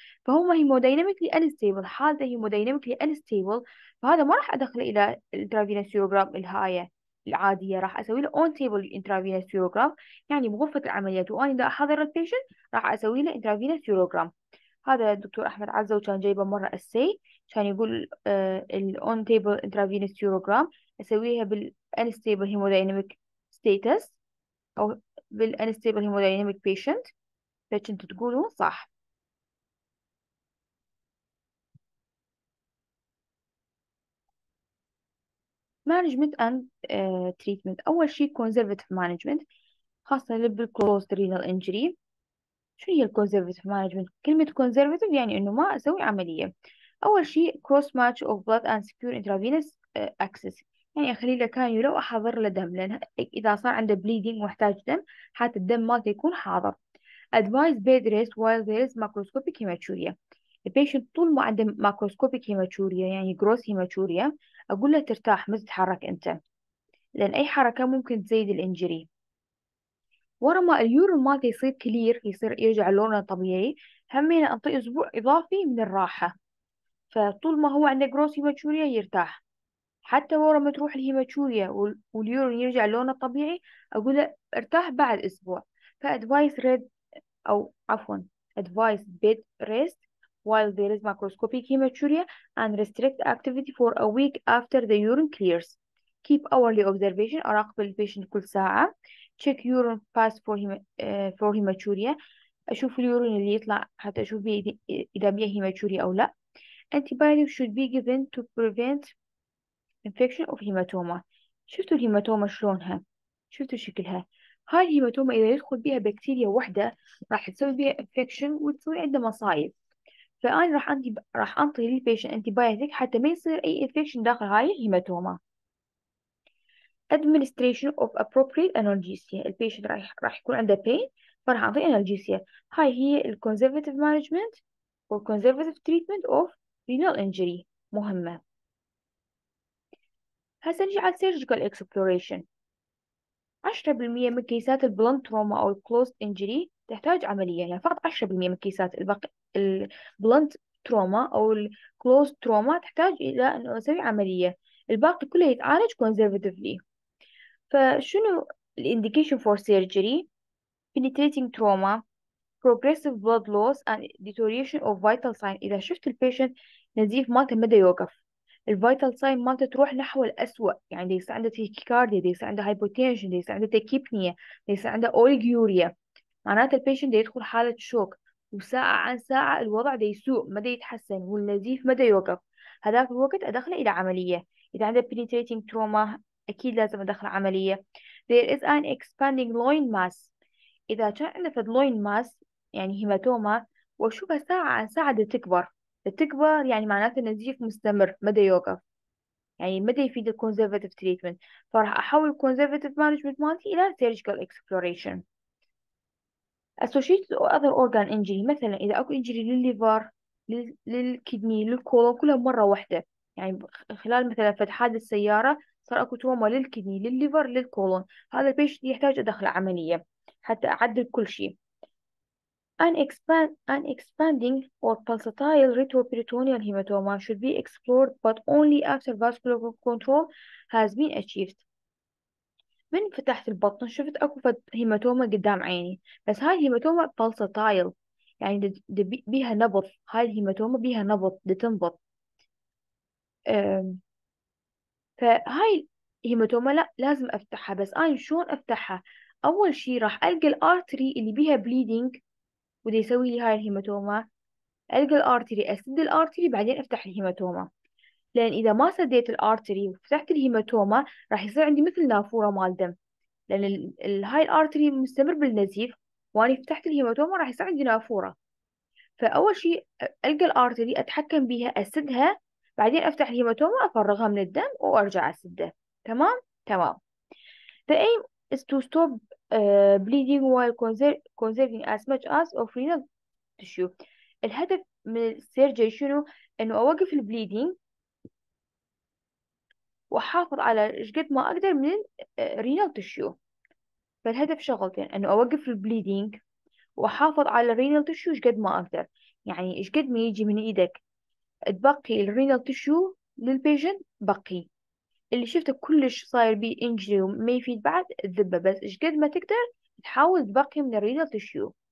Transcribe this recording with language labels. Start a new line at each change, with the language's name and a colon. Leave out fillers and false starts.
Arabic: فهم hemodynamically unstable، حالته hemodynamically unstable، فهذا ما راح ادخله الى intravenous urogram الهاي العادية، راح أسوي له
English: on table intravenous urogram,
Arabic: يعني بغرفة العمليات وأنا دا أحضر البيشنت راح أسوي له انترافينوس يوروجرام. هذا الدكتور أحمد عزة، وكان جايبه مرة أسي كان يقول الاون تيبل انترافينوس يوروجرام
English: اسويها بال unstable hemodynamic status او بال unstable hemodynamic patient.
Arabic: فاش انتوا تقولوا صح.
English: management and treatment. اول شيء conservative management خاصة بالcrossed renal injury.
Arabic: شو هي الكونزرفاتيف مانجمنت؟ كلمة كونزرفاتيف يعني إنه ما أسوي عملية. أول شيء
English: cross match of blood and secure intravenous access,
Arabic: يعني أخلي له كانيولا لو أحضر له دم، لأن إذا صار عنده بليدينج واحتاج دم حتى الدم ما يكون حاضر.
English: Advise bed rest while there is macroscopic hematuria.
Arabic: البيشنت طول ما عنده ماكروسكوبيك هيماتوريا يعني جروس هيماتوريا أقول له ترتاح ما تتحرك أنت، لأن أي حركة ممكن تزيد الإنجري. ورا ما اليورين مالته يصير كلير يصير يرجع لونه طبيعي همين أنطيه أسبوع إضافي من الراحة. فطول ما هو عنده جروس هيماتوريا يرتاح، حتى ورا ما تروح الهيماتوريا واليورين يرجع لونه طبيعي أقول له ارتاح بعد أسبوع.
English: فأدفايس ريد أو عفوا advise bed rest while there is macroscopic hematuria and restrict activity for a week after the urine clears. Keep hourly observation.
Arabic: أراقب البيشنت كل ساعة.
English: check urine pass for for hematuria.
Arabic: أشوف اليورين اللي يطلع حتى أشوف إذا بيها hematuria أو لا.
English: antibiotics should be given to prevent infection of hematoma.
Arabic: شفتوا الهيماتوما شلونها؟ شفتوا شكلها؟ هاي الهيماتوما إذا يدخل بيها بكتيريا واحدة راح تسوي بيها infection وتسوي عنده مصايب. فأنا راح أنطي للبيشن antibiotic حتى ما يصير أي infection داخل هاي الهيماتوما.
English: administration of appropriate analgesia.
Arabic: البيشنت راح يكون عنده pain فراح اعطيه analgesia.
English: هاي هي ال conservative management و conservative treatment of renal injury مهمة.
Arabic: هسا نجي على surgical exploration. 10% من كيسات ال blunt trauma أو ال closed injury تحتاج عملية، يعني فقط 10% من كيسات ال blunt trauma أو ال closed trauma تحتاج إلى أن أسوي عملية، الباقي كله يتعالج conservatively.
English: فشنو ال indication for surgery؟ penetrating trauma, progressive blood loss and deterioration of vital sign.
Arabic: إذا شفت ال patient نزيف مالته مدى يوقف ال vital sign مالته تروح نحو الأسوأ، يعني دي يصير عنده tachycardia، دي يصير عنده hypotension، دي يصير عنده tachypnea، دي يصير عنده oliguria، معناته ال patient دي يدخل حالة شوك، وساعة عن ساعة الوضع دي يسوء مدى يتحسن والنزيف مدى يوقف. هذاك الوقت أدخله إلى عملية. إذا عنده penetrating trauma أكيد لازم أدخل عملية.
English: There is an expanding loin mass.
Arabic: إذا كان عندنا فد loin mass يعني هيماتوما وأشوفها ساعة عن ساعة تكبر تكبر، يعني معناته النزيف مستمر مدى يوقف، يعني مدى يفيد ال conservative treatment. فراح أحول ال conservative management مالتي إلى surgical exploration. associated other organ injury مثلا إذا أكو injury للليفر للكدني للكولون كلها مرة واحدة، يعني خلال مثلا فد حادث سيارة صار اكو تروما للكدني للليفر للكولون، هذا البيشنت يحتاج ادخل عملية حتى اعدل كل شيء.
English: an expanding or pulsatile retroperitoneal hematoma should be explored but only after vascular control has been achieved.
Arabic: من فتحت البطن شفت اكو فد هيماتوما قدام عيني، بس هاي الهيماتوما بالساتايل يعني بيها نبض، هاي الهيماتوما بيها نبض لتنبض. فهاي الهيماتوما لازم افتحها، بس انا شلون افتحها؟ اول شي راح القى الارتري اللي بيها بليدينج ودي يسوي لي هاي الهيماتوما، القى الارتري اسد الارتري بعدين افتح الهيماتوما، لان اذا ما سديت الارتري وفتحت الهيماتوما راح يصير عندي مثل نافورة مال دم، لان هاي الارتري مستمر بالنزيف واني فتحت الهيماتوما راح يصير عندي نافورة. فاول شي القى الارتري اتحكم بيها اسدها بعدين افتح الهيماتوما افرغها من الدم وارجع اسده. تمام تمام.
English: The aim is to stop bleeding while conserving as much as of renal tissue.
Arabic: الهدف من السيرجري شنو؟ انه اوقف البليدينج واحافظ على ايش قد ما اقدر من renal tissue. فالهدف شغلتين، انه اوقف البليدينج واحافظ على renal tissue ايش قد ما اقدر، يعني ايش قد ما يجي من ايدك تبقي الرينال تشو للبيجنت بقي، اللي شفته كلش صاير بيه انجري وما يفيد بعد الذبة، بس ايش قد ما تقدر تحاول تبقي من الرينال تشو.